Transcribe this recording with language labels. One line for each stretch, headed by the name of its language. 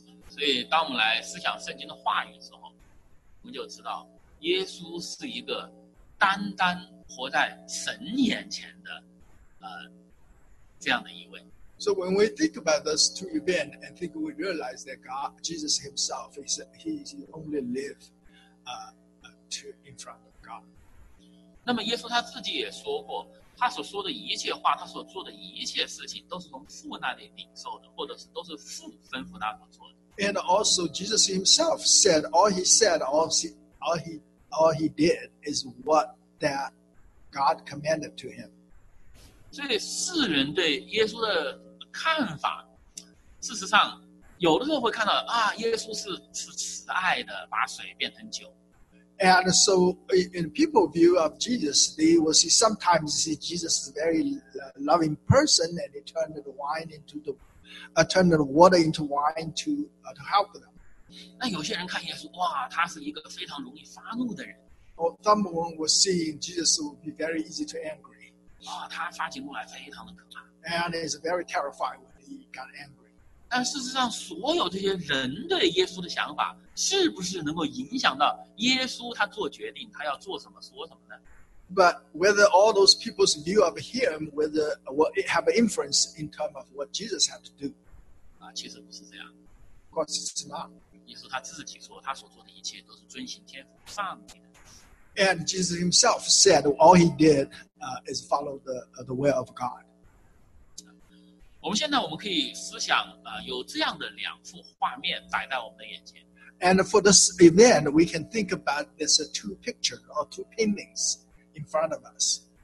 Chinese: 所以，当我们来思想圣经的话语的时候，我们就知道，耶稣是一个单单活在神眼前的这样的一位。
English: So when we think about those two events and think we realize that God, Jesus himself, he only lives in front of God.
Chinese: 那么耶稣他自己也说过，他所说的一切话，他所做的一切事情都是从父那里领受的，或者是都是父吩咐他所做的。
English: And also Jesus himself said, all he did is what that God commanded to him.
Chinese: 这世人对耶稣的看法, 事实上, 有的时候会看到, 啊, 耶稣是, 是慈爱的, 把水变成酒。
English: And so in people view of Jesus, they will see sometimes see Jesus is a very loving person and he turned the wine into the turned the water into wine to help them.
Chinese: 那有些人看耶稣, 哇, 他是一个非常容易发怒的人。
English: Or someone will see Jesus will be very easy to angry. 哇, and it's very terrifying when he got angry.
Chinese: 但事实上所有这些人对耶稣的想法, 是不是能够影响到耶稣他做决定, 他要做什么, 说什么呢?
English: But whether all those people's view of him, whether will it have an influence in terms of what Jesus had to do?
Chinese: 啊, 其实不是这样。
English: Of course it's not.
Chinese: 耶稣他自己说, 他所做的一切都是遵行天父上帝的。
English: And Jesus himself said all he did is follow the will of God.
Chinese: 我们现在我们可以思想, 有这样的两幅画面摆在我们的眼前。
English: And for this event, we can think about this two pictures or two paintings in front of us.